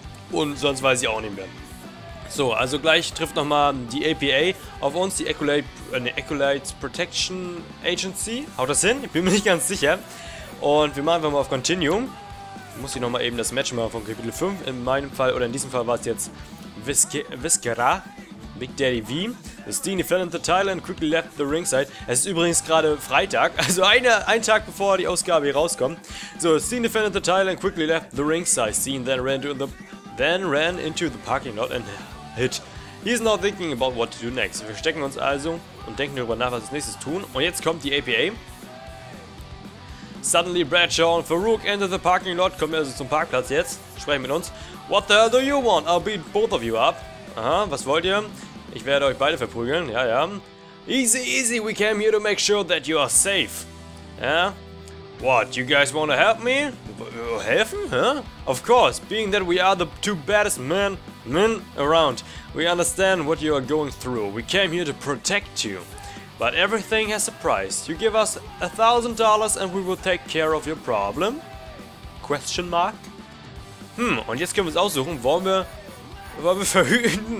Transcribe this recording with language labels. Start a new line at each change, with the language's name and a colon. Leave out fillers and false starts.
German: Und sonst weiß ich auch nicht mehr. So, also gleich trifft nochmal die APA auf uns, die Acolytes Protection Agency. Haut das hin? Ich bin mir nicht ganz sicher. Und wir machen einfach mal auf Continuum. Muss ich nochmal eben das Match machen von Kapitel 5. In meinem Fall, oder in diesem Fall war es jetzt Viscera.
English: Big Daddy V. Steen defended the title and quickly left the ringside.
German: Es ist übrigens gerade Freitag, also ein Tag bevor die Ausgabe hier rauskommt.
English: So, Steen defended the title and quickly left the ringside. Steen then ran into the parking lot and hit. He's not thinking about what to do next.
German: Wir stecken uns also und denken darüber nach, was wir als nächstes tun. Und jetzt kommt die APA.
English: Suddenly Bradshaw and Farouk enter the parking lot.
German: Kommen wir also zum Parkplatz jetzt. Sprechen mit uns.
English: What the hell do you want? I'll beat both of you up.
German: Aha, was wollt ihr? Ich werde euch beide verprügeln, ja, ja.
English: Easy, easy, we came here to make sure that you are safe.
German: Ja?
English: Yeah? What, you guys wanna help me?
German: Helfen,
English: huh? Of course, being that we are the two baddest men around, we understand what you are going through. We came here to protect you. But everything has a price. You give us $1,000 and we will take care of your problem? Question mark?
German: Hm, und jetzt können wir uns aussuchen, wollen wir verhüten?